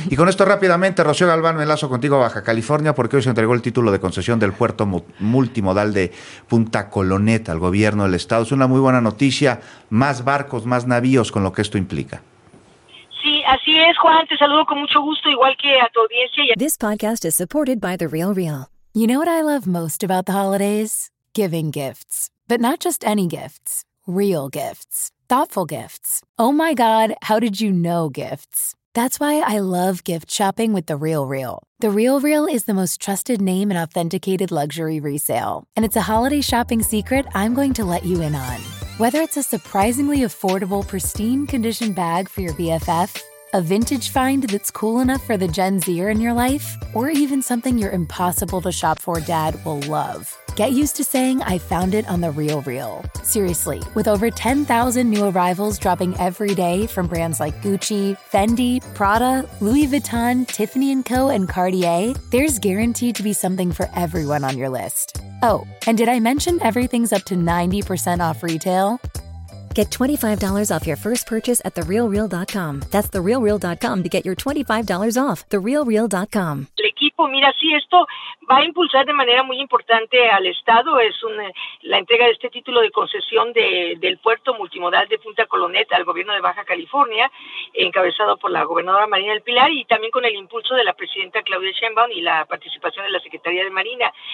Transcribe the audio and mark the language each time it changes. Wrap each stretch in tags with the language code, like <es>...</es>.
<es>Y con esto rápidamente, Rocío Galván, me enlazo contigo a Baja California, porque hoy se entregó el título de concesión del puerto multimodal de Punta Colonet al gobierno del estado. Es una muy buena noticia, más barcos, más navíos, con lo que esto implica. Así es, Juan, te saludo con mucho gusto, igual que a tu audiencia.</es> <en>This podcast is supported by The Real Real. You know what I love most about the holidays? Giving gifts. But not just any gifts. Real gifts. Thoughtful gifts. Oh my God, how did you know gifts? That's why I love gift shopping with The Real Real. The Real Real is the most trusted name in authenticated luxury resale. And it's a holiday shopping secret I'm going to let you in on. Whether it's a surprisingly affordable, pristine condition bag for your BFF, a vintage find that's cool enough for the Gen Zer in your life, or even something your impossible to shop for dad will love. Get used to saying, I found it on The Real Real. Seriously, with over 10,000 new arrivals dropping every day from brands like Gucci, Fendi, Prada, Louis Vuitton, Tiffany & Co., and Cartier, there's guaranteed to be something for everyone on your list. Oh, and did I mention everything's up to 90% off retail? Get $25 off your first purchase at TheRealReal.com. That's TheRealReal.com to get your $25 off. TheRealReal.com.</en> <es>El equipo, mira, sí, esto va a impulsar de manera muy importante al estado. Es la entrega de este título de concesión del puerto multimodal de Punta Colonet al gobierno de Baja California, encabezado por la gobernadora Marina del Pilar y también con el impulso de la presidenta Claudia Sheinbaum y la participación de la Secretaría de Marina.</es>